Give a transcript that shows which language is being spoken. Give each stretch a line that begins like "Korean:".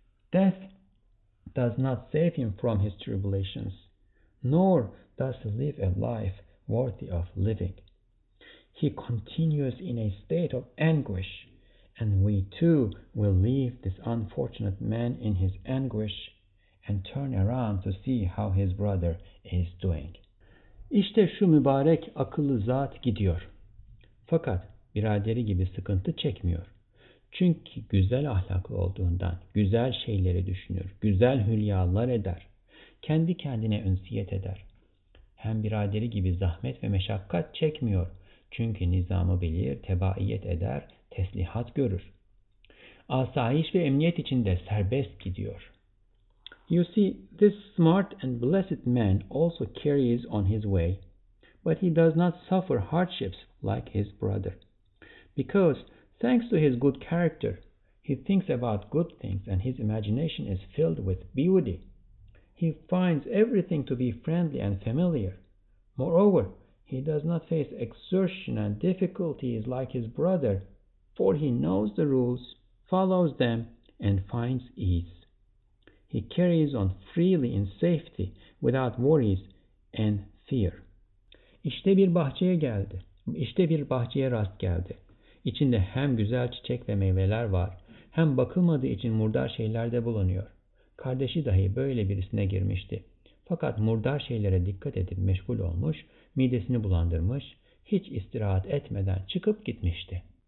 English: Death does not save him from his tribulations, nor does he live a life worthy of living. He continues in a state of anguish and we too will leave this unfortunate man in his anguish and turn around to see how his brother is doing.
Turkish: İşte şu mübarek akıllı zat gidiyor. Fakat biraderi gibi sıkıntı çekmiyor. Çünkü güzel ahlaklı olduğundan güzel şeyleri düşünür, güzel hülyalar eder. Kendi kendine ünsiyet eder. Hem biraderi gibi zahmet ve meşakkat çekmiyor. Çünkü nizamı bilir, tebaiyet eder, teslihat görür. Asayiş ve emniyet içinde serbest gidiyor.
English: You see, this smart and blessed man also carries on his way, but he does not suffer hardships like his brother. Because, thanks to his good character, he thinks about good things and his imagination is filled with beauty. He finds everything to be friendly and familiar. Moreover, he does not face exertion and difficulties like his brother, for he knows the rules, follows them, and finds ease. He carries on freely in safety, without worries and fear.
Turkish: İşte bir bahçeye geldi. İşte bir bahçeye rast geldi. İçinde hem güzel çiçek ve meyveler var, hem bakılmadığı için murdar şeyler de bulunuyor. Kardeşi dahi böyle birisine girmişti. Fakat murdar şeylere dikkat edip meşgul olmuş, midesini bulandırmış, hiç istirahat etmeden çıkıp gitmişti.